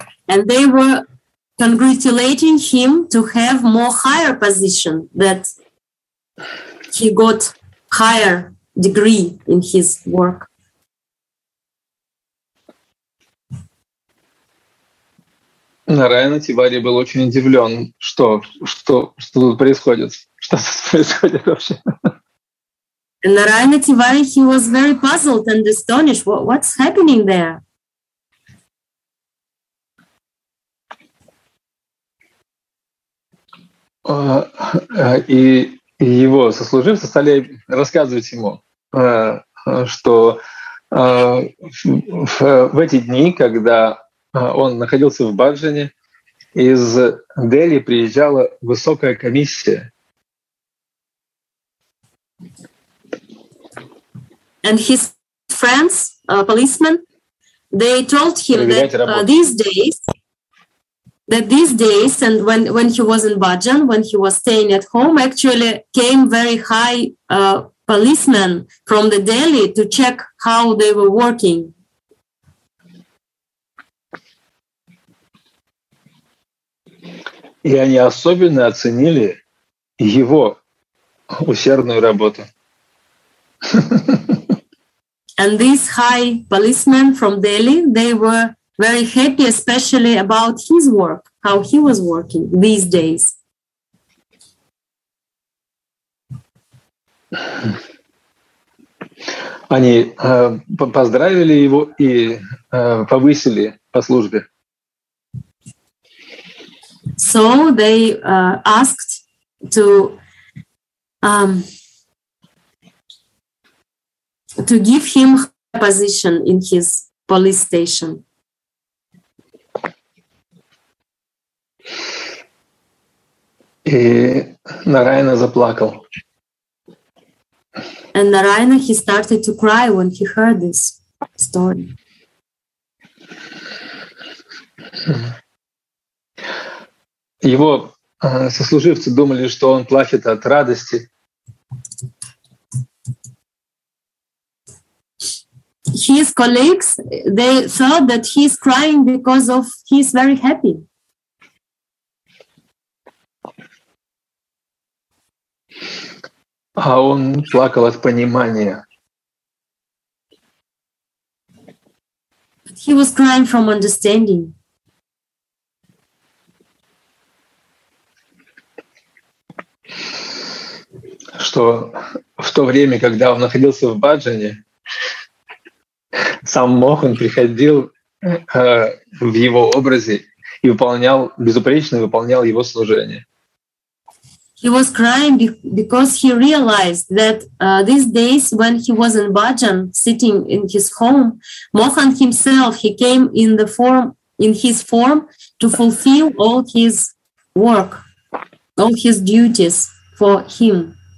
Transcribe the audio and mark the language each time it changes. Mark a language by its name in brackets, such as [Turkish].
[English] And they were congratulating him to have more higher position, that he got higher degree in his work. [Russian] Нараяна Тивари был очень удивлен, что тут происходит, что тут происходит вообще. [English] And Нараяна Тивари, he was very puzzled and astonished. What's happening there? [Russian] И его сослуживцы стали рассказывать ему, что в эти дни, когда он находился в Баджане, из Дели приезжала высокая комиссия. [English] And his friends, policemen, they told him that these days, and when he was in Bajan, when he was staying at home, actually came very high policemen from the Delhi to check how they were working. [Russian] И они особенно оценили его усердную работу. [English] And these high policemen from Delhi, they were very happy, especially about his work, how he was working these days. [Russian] Они поздравили его и повысили по службе. [English] So they asked to give him a position in his police station. [Russian] И Нараяна заплакал. [English] And Нараяна, he started to cry when he heard this story. [Russian] Его сослуживцы думали, что он плачет от радости. [English] His colleagues, they thought that he's crying because of he's very happy. [Russian] А он плакал от понимания. [English] He was crying from understanding. [Russian] Что в то время, когда он находился в Баджане, сам Мохан приходил в его образе и выполнял его служение. [English] He was crying because he realized that these days when he was in Bhajan, sitting in his home, Mohan himself, he came in the form, in his form, to fulfill all his work, all his duties for him.